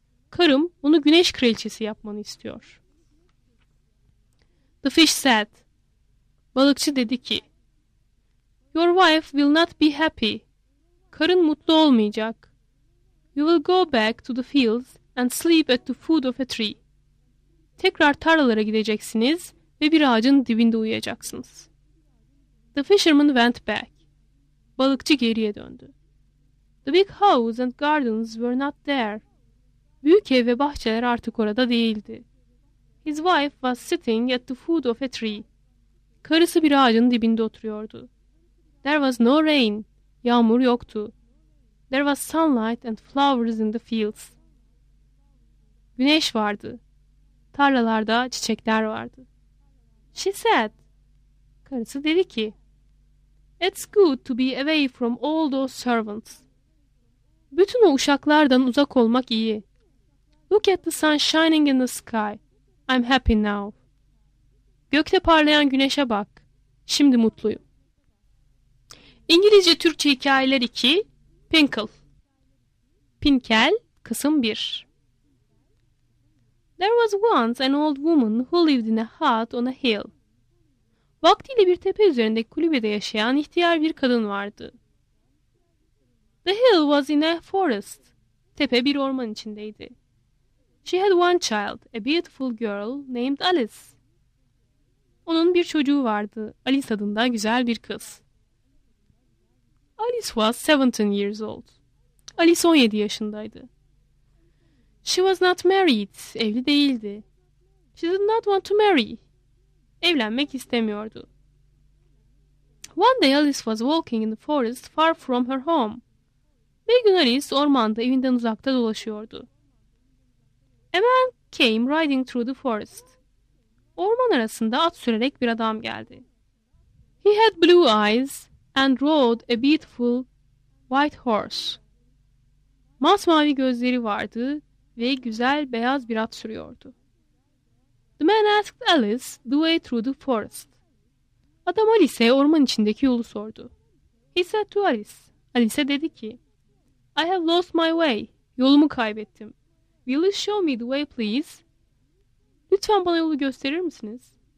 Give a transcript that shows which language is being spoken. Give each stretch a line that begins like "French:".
Turkish: Karım onu güneş kraliçesi yapmanı istiyor.
English: The fish said.
Turkish: Balıkçı dedi ki,
English: Your wife will not be happy.
Turkish: Karın mutlu olmayacak.
English: You will go back to the fields and sleep at the foot of a tree.
Turkish: Tekrar tarlalara gideceksiniz ve bir ağacın dibinde uyuyacaksınız.
English: The fisherman went back.
Turkish: Balıkçı geriye döndü.
English: The big house and gardens were not there.
Turkish: Büyük ev ve bahçeler artık orada değildi.
English: His wife was sitting at the foot of a tree.
Turkish: Karısı bir ağacın dibinde oturuyordu.
English: There was no rain.
Turkish: Yağmur yoktu.
English: There was sunlight and flowers in the fields.
Turkish: Güneş vardı. Tarlalarda çiçekler vardı.
English: She said.
Turkish: Karısı dedi ki,
English: It's good to be away from all those servants.
Turkish: Bütün o uşaklardan uzak olmak iyi.
English: Look at the sun shining in the sky. I'm happy now.
Turkish: Gökte parlayan güneşe bak. Şimdi mutluyum. İngilizce Türkçe Hikayeler 2 Pinkle. Pinkel, Kısım 1.
English: There was once an old woman who lived in a hut on a hill.
Turkish: Vaktiyle bir tepe üzerindeki kulübede yaşayan ihtiyar bir kadın vardı.
English: The hill was in a forest.
Turkish: Tepe bir orman içindeydi.
English: She had one child, a beautiful girl named Alice.
Turkish: Onun bir çocuğu vardı, Alice adında güzel bir kız.
English: Alice was 17 years old.
Turkish: Alice 17 yaşındaydı.
English: She was not married,
Turkish: evli değildi.
English: She did not want to marry.
Turkish: Evlenmek istemiyordu.
English: One day Alice was walking in the forest far from her home.
Turkish: Bir gün Alice ormanda evinden uzakta dolaşıyordu.
English: A man came riding through the forest.
Turkish: Orman arasında at sürerek bir adam geldi.
English: He had blue eyes and rode a beautiful white horse.
Turkish: Masmavi gözleri vardı ve güzel beyaz bir at sürüyordu.
English: The man asked Alice the way through the forest.
Turkish: Adam Alice'e orman içindeki yolu sordu.
English: He said to Alice.
Turkish: Alice dedi ki,
English: I have lost my way.
Turkish: Yolumu kaybettim.
English: Will you show me the way, please?
Turkish: Lütfen bana yolu gösterir misiniz?